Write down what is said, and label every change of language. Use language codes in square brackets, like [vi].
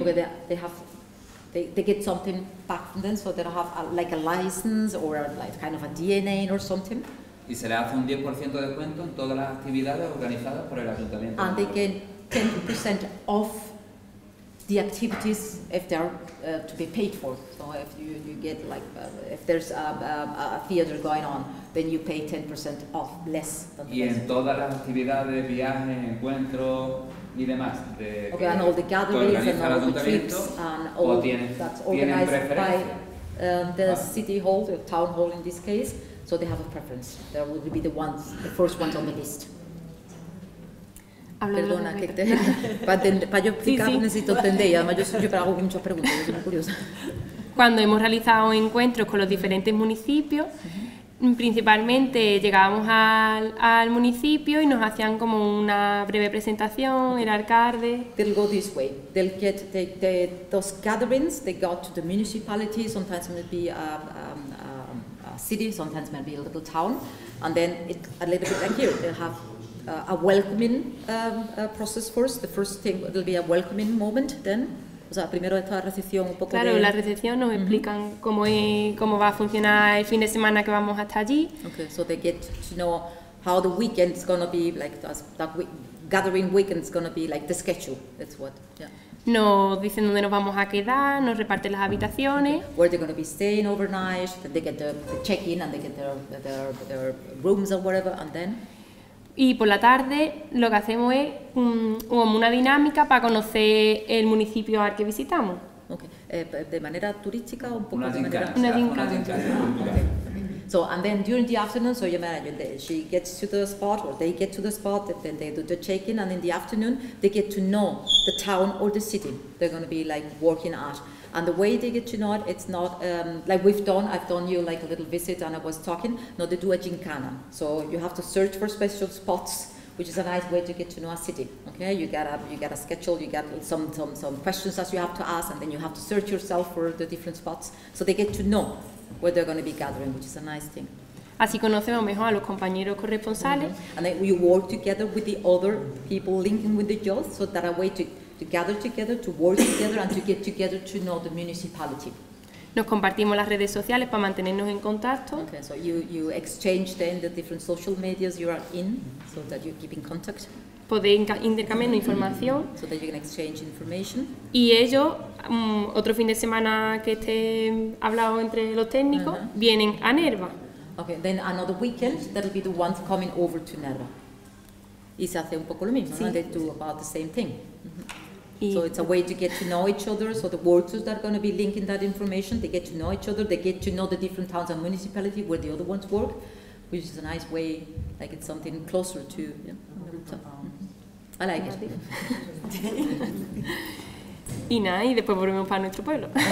[en] Okay, they get something back from them, so they don't have a license or like kind of a DNA or something. [es] Y se le hace un 10% de descuento en todas las actividades organizadas por el ayuntamiento. [en] And they get 10% off the activities if they are to be paid for. So if you get if there's a theater going on, then you pay 10% off less. [es] Y en todas las actividades, viajes, encuentros y demás. [en] Okay, and all the gatherings and all the trips and all that's organized by the city hall, the town hall in this case. So they have a preference. They will be the first ones on the list. [es] Hablo perdona, que te, para yo explicar sí, sí. Necesito entender y además yo hago muchas preguntas, yo soy muy curiosa. Cuando hemos realizado encuentros con los diferentes municipios, principalmente llegábamos al municipio y nos hacían como una breve presentación, el alcalde. [en] They'll go this way. They'll get those gatherings, they go to the municipality, sometimes it will be a city, sometimes it will be a little town, and then a little bit like here, they'll have a welcoming process first. The first thing will be a welcoming moment then. [es] O sea, primero esta recepción un poco. Claro, la recepción nos explican cómo va a funcionar el fin de semana que vamos hasta allí. [en] Okay, so they get to know how the weekend is gonna be like that gathering weekend is gonna be like the schedule. That's what. Yeah. [es] Nos dicen dónde nos vamos a quedar, nos reparten las habitaciones. [en] Okay. Where they're gonna be staying overnight? Then they get the check-in and they get their rooms or whatever, and then. [es] Y por la tarde lo que hacemos es una dinámica para conocer el municipio al que visitamos. Okay. De manera turística o un poco una de manera una dinámica. [en] So and then during the afternoon, so you imagine she gets to the spot or they get to the spot, then they do the check-in and in the afternoon they get to know the town or the city they're going to be like working at. And the way they get to know it, it's not like we've done. I've done you like a little visit, and I was talking. No, they do a gincana. So you have to search for special spots, which is a nice way to get to know a city. Okay, you get a schedule, you get some questions that you have to ask, and then you have to search yourself for the different spots. So they get to know where they're going to be gathering, which is a nice thing. [es] Así conocemos mejor a los compañeros corresponsales. Mm-hmm. [en] And then we work together with the other people linking with the jobs, so that a way to gather together, to work together, and to get together to know the municipality. [es] Nos compartimos las redes sociales para mantenernos en contacto. [en] Okay, so you exchange then the different social medias you are in, so that you keep in contact. [es] Podéis intercambiar información. [en] So that you can exchange information. [es] Y ellos, otro fin de semana que esté hablado entre los técnicos, vienen a Nerva. [en] Okay, then another weekend, that'll be the ones coming over to Nerva. [es] Y se hace un poco lo mismo, sí. [en] They do about the same thing. So it's a way to get to know each other, so the workers that are going to be linking that information, they get to know each other, they get to know the different towns and municipalities where the other ones work, which is a nice way, like it's something closer to, yeah. So, I like it. [es] Y nada, y después volvemos para nuestro pueblo.